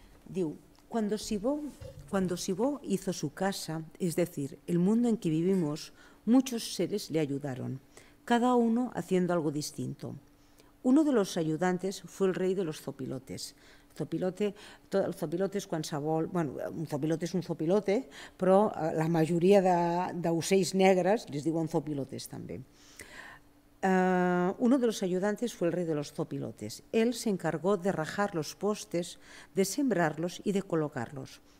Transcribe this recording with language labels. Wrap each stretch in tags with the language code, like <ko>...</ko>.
<es>Diu, cuando Sibó hizo su casa, es decir, el mundo en que vivimos, muchos seres le ayudaron, cada uno haciendo algo distinto. Uno de los ayudantes fue el rey de los zopilotes.</es> <ca>Un zopilote és un zopilote, però la majoria d'ocells negres les diuen zopilotes també.</ca> <es>Uno de los ayudantes fue el rey de los zopilotes. Él se encargó de rajar los postes, de sembrarlos y de colocarlos.</es>